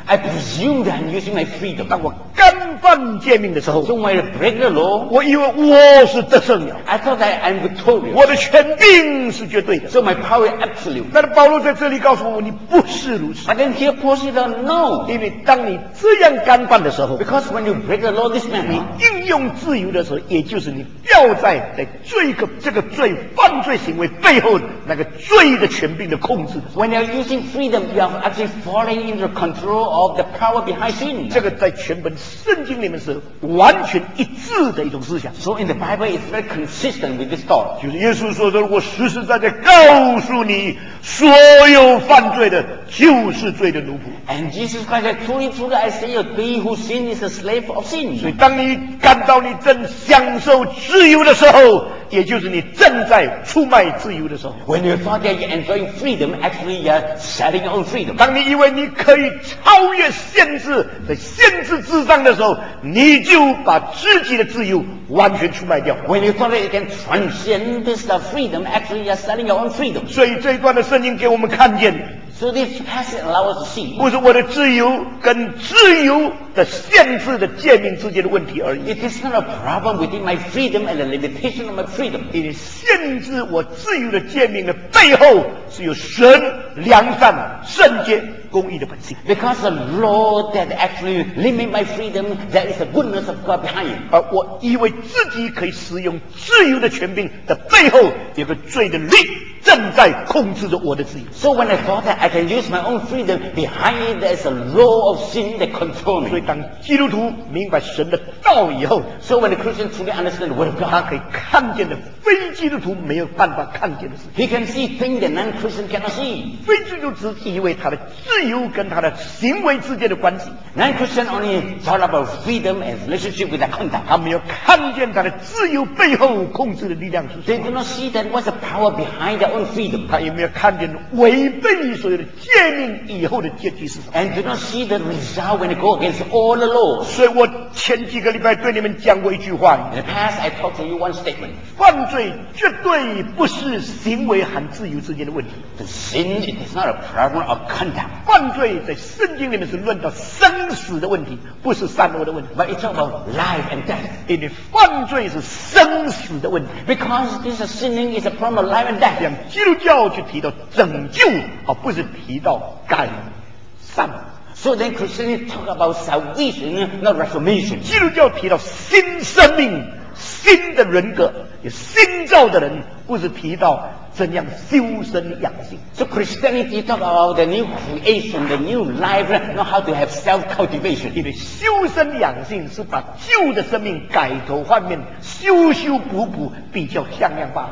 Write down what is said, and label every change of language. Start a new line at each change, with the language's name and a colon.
English: I presume that I'm using my freedom.
Chinese: 当我干犯诫命的时候
English: ，So when I break the law，
Chinese: 我以为我是得胜了。
English: I thought that I'm victorious.
Chinese: 我的权柄是绝对的。
English: So my power is absolute.
Chinese: 但是保罗在这里告诉我，你不是如此。
English: But then here Paul said, No.
Chinese: 因为当你这样干犯的时候
English: ，Because when you break the law, this man.
Chinese: 应用自由的时候，也就是你掉在罪个这个罪犯罪行为背后那个罪的权柄的控制。
English: When you're using freedom, you are actually falling into control of the power behind sin.
Chinese: 这个在全本圣经里面是完全一致的一种思想。
English: So in the Bible, it's very consistent with this thought.
Chinese: 就是耶稣说的，我实实在在告诉你，所有犯罪的，就是罪的奴仆。
English: And Jesus Christ said, truly, truly, I say, he who sins is a slave of sin.
Chinese: 所以当你感到你正享受自由的时候，也就是你正在出卖自由的时候。
English: When you thought that you're enjoying freedom, actually you're selling your own freedom.
Chinese: 当你以为你可以超越限制的限制之上的时候，你就把自己的自由完全出卖掉。
English: When you thought that you can transcend this freedom, actually you're selling your own freedom.
Chinese: 所以这一段的圣经给我们看见。
English: So this passage allows us to see.
Chinese: 不是我的自由跟自由的限制的诫命之间的问题而已。
English: It is not a problem within my freedom and the limitation of my freedom.
Chinese: 因为限制我自由的诫命的背后是有神良善圣洁公义的本性。
English: Because the law that actually limit my freedom, there is the goodness of God behind it.
Chinese: 而我以为自己可以使用自由的权柄的背后有个罪的力。正在控制着我的自由。
English: So when I thought that I can use my own freedom, behind it there's a law of sin that controls me.
Chinese: 所以当基督徒明白神的道以后
English: ，So when the Christian truly understands the word of God,
Chinese: 他可以看见的非基督徒没有办法看见的事。
English: He can see things that non-Christian cannot see.
Chinese: 非基督徒只以为他的自由跟他的行为之间的关系。
English: Non Christian only thought about freedom and relationship with the conduct.
Chinese: 他没有看见他的自由背后控制的力量是什么。
English: They do not see that what's the power behind their own freedom.
Chinese: 他有没有看见违背你所有的诫命以后的结局是什么
English: ？And do not see the result when they go against all the laws.
Chinese: 所以我前几个礼拜对你们讲过一句话。
English: In the past, I talked to you one statement.
Chinese: 犯罪绝对不是行为和自由之间的问题。
English: The sin is not a problem of conduct.
Chinese: 犯罪在圣经里面是论到生死的问题，不是善恶的问题。
English: But it's about life and death.
Chinese: 因为犯罪是生死的问题。
English: Because this sinning is a problem of life and death.
Chinese: 像基督教去提到拯救，而不是提到改善。
English: So then Christians talk about salvation, not reformation.
Chinese: 基督教提到新生命、新的人格、新造的人，不是提到怎样修身养性。
English: So Christianity talk about the new creation, the new life, not how to have self-cultivation.
Chinese: 因为修身养性是把旧的生命改头换面，修修补补比较像样吧。